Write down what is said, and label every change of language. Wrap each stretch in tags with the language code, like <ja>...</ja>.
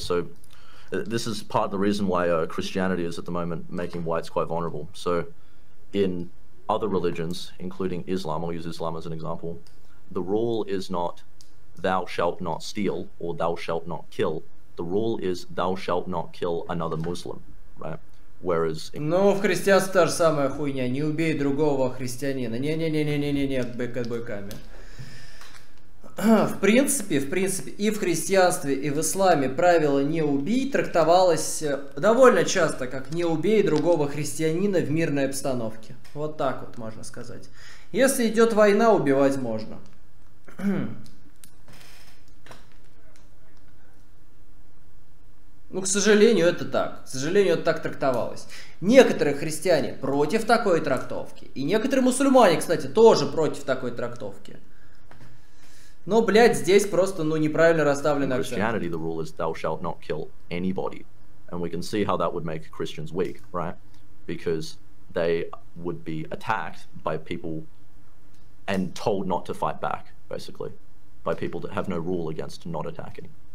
<en>So this is part of the reason why Christianity is at the moment making whites quite vulnerable. So in other religions, including Islam, I'll use Islam as an example, the rule is not thou shalt not steal or thou shalt not kill. The rule is thou shalt not kill another Muslim, right? Whereas in...</en> <ru>Ну, в христианстве та же самая хуйня. Не убей другого христианина. Не-не-не-не-не-не-не, бэкэтбойками. В принципе, и в христианстве, и в исламе правило «не убей» трактовалось довольно часто как «не убей другого христианина в мирной обстановке». Вот так вот можно сказать. Если идет война, убивать можно. Ну, к сожалению, это так. К сожалению, это так трактовалось. Некоторые христиане против такой трактовки. И некоторые мусульмане, кстати, тоже против такой трактовки. Но, блядь, здесь просто, ну, неправильно расставлен акцент.</ru> <en>In Christianity, the rule is thou shalt not kill anybody. And we can see how that would make Christians weak, right? Because they would be attacked by people and told not to fight back, basically. By people that have no rule against not attacking.</en>